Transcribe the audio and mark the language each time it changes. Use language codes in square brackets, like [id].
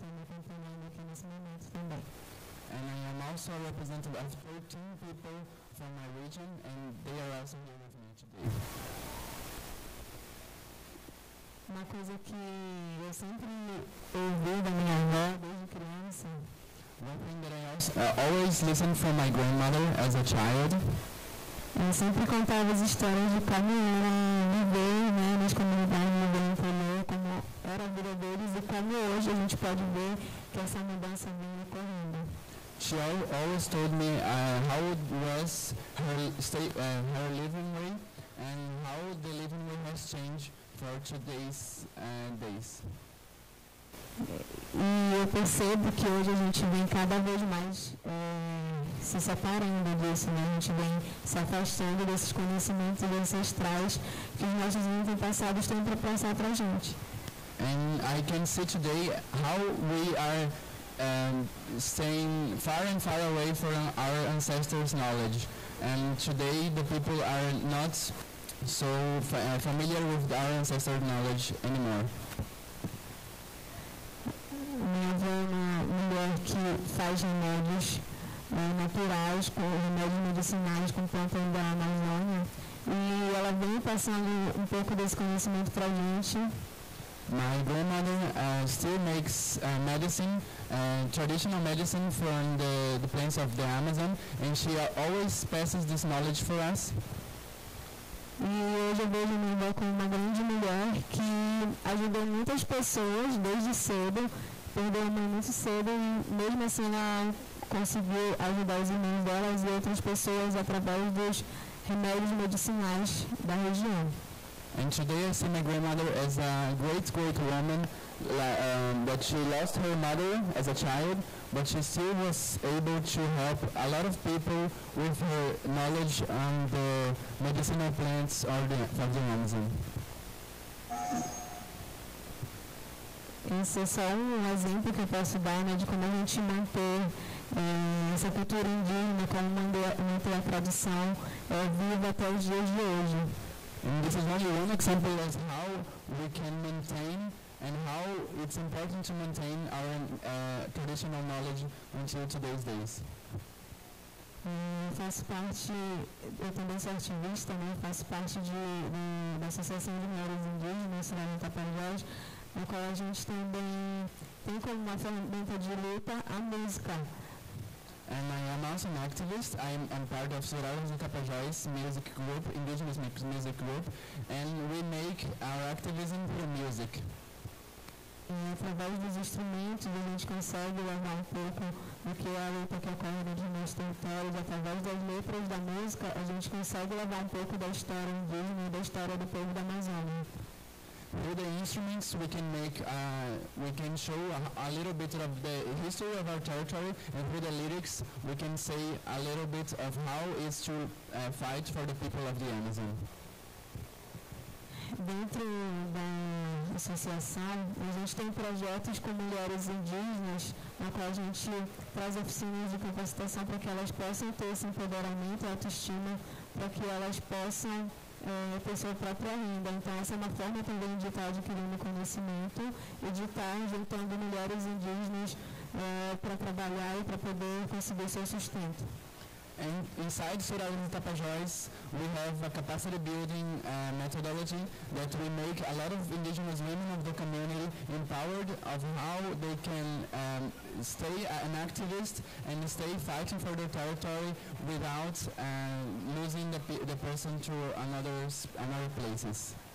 [en] And I am also represented as 13 people from my region, and they are also here with me today. [pt] Uma coisa que eu sempre ouvi da minha avó desde criança. [en] One thing that I always listened from my grandmother as a child. [pt] Ela sempre contava as histórias de como era viver, né, nas comunidades, no meio interior, como era a vida deles e como hoje a gente pode ver que essa mudança vem ocorrendo. [en] She always told me how it was her her living way and how the living way has changed for today's days. [pt] E eu percebo que hoje a gente vem cada vez mais se separando disso, né? A gente vem se afastando desses conhecimentos ancestrais que os nossos antepassados têm para passar para a gente. [en] And I can see today how we are staying far and far away from our ancestors' knowledge. And today the people are not so familiar with our ancestors' knowledge anymore. [pt] Minha avó é uma mulher que faz remédios naturais, com remédios medicinais, com plantas da Amazônia. E ela vem passando um pouco desse conhecimento para a gente. [en] My grandmother still makes medicine, traditional medicine from the plains of the Amazon, and she always passes this knowledge for us. [pt] E hoje eu vejo minha avó como uma grande mulher que ajudou muitas pessoas desde cedo. Perdeu a mãe muito cedo e, mesmo assim, ela conseguiu ajudar os irmãos delas e outras pessoas através dos remédios medicinais da região. [en] And today I see my grandmother as a great, great woman, that she lost her mother as a child, but she still was able to help a lot of people with her knowledge on the medicinal plants of the Amazon. [pt] Esse é só um exemplo que eu posso dar, né, de como a gente manter essa cultura indígena como manter a tradição é viva até os dias de hoje. [en] And this is only one example of how we can maintain and how it's important to maintain our traditional knowledge until today's days. [pt] Faço parte, eu também sou ativista, né? Faço parte da Associação de Mulheres Indígenas, né? No Tapajós, na qual a gente também tem como uma ferramenta de luta a música. [en] And I am also an activist. I'm part of Surajan Kapajai's music group, Indigenous music group, and we make our activism through music. [pt] Através dos instrumentos a gente consegue levar um pouco do que é a luta que ocorre nos nossos territórios. Através das letras da música a gente consegue levar um pouco da história indígena, da história do povo da Amazônia. [en] Through the instruments, we can show a little bit of the history of our territory, and through the lyrics, we can say a little bit of how it's to fight for the people of the Amazon. [pt] Dentro da associação, a gente tem projetos com mulheres indígenas, na qual a gente traz oficinas de capacitação para que elas possam ter esse empoderamento e autoestima, para que elas possam ter sua própria renda. Então, essa é uma forma também de estar adquirindo conhecimento e de estar juntando mulheres indígenas para trabalhar e para poder conseguir seu sustento. [en] And inside Surajan Tapajós, we have a capacity building methodology that we make a lot of indigenous women of the community empowered of how they can stay an activist and stay fighting for their territory without losing the person to another places.